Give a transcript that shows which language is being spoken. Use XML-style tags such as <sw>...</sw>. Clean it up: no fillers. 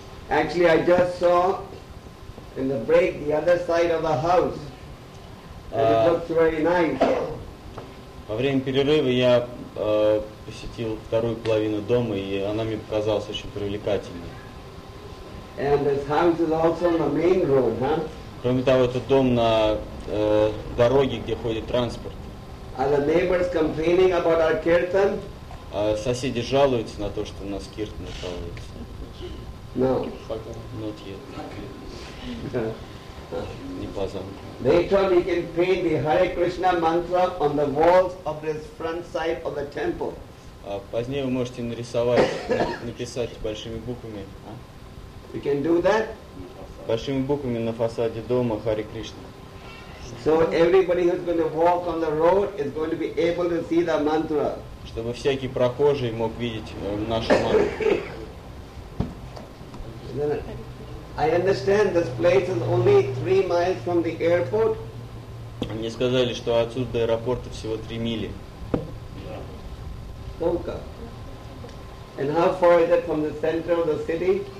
<en>Actually, I just saw in the break the other side of the house. And it looks very nice.</en> <ru>Во время перерыва я посетил вторую половину дома, и она мне показалась очень привлекательной.</ru> <en>And this house is also on the main road, huh?</en> <ru>Кроме того, это дом на дороге, где ходит транспорт.</ru> <en>Are the neighbors complaining about our kirtan?</en> <ru>Соседи жалуются на то, что у нас киртан проводится.</ru> <en>No. Not yet.</en> <ru>Не по замку.</ru> <en>They told me you can paint the Hare Krishna mantra on the walls of this front side of the temple.</en> <ru>Позднее вы можете нарисовать, написать большими буквами.</ru> <en>You can do that?</en> <ru>Большими буквами на фасаде дома Hare Krishna.</ru> <en>So everybody who's going to walk on the road is going to be able to see the mantra.</en> <ru>Чтобы всякий прохожий мог видеть нашу мантру.</ru> <en>I understand this place is only 3 miles from the airport.</en> <ru>Мне сказали, что отсюда до аэропорта всего 3 мили.</ru> <en>And how far is it from the center of the city?</en>